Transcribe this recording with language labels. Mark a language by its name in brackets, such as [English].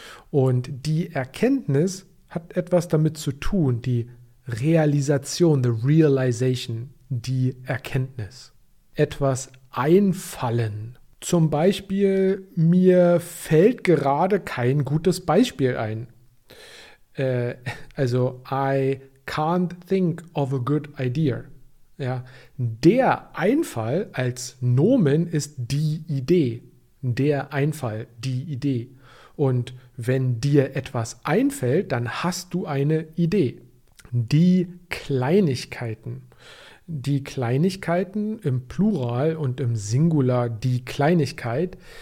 [German] Und die Erkenntnis hat etwas damit zu tun, die Realisation, [English] the realization, [German] die Erkenntnis. Etwas einfallen. Zum Beispiel, mir fällt gerade kein gutes Beispiel ein. [English] Also, I can't think of a good idea. [German] Ja, der Einfall als Nomen ist die Idee. Der Einfall, die Idee. Und wenn dir etwas einfällt, dann hast du eine Idee. Die Kleinigkeiten. Die Kleinigkeiten im Plural und im Singular die Kleinigkeit.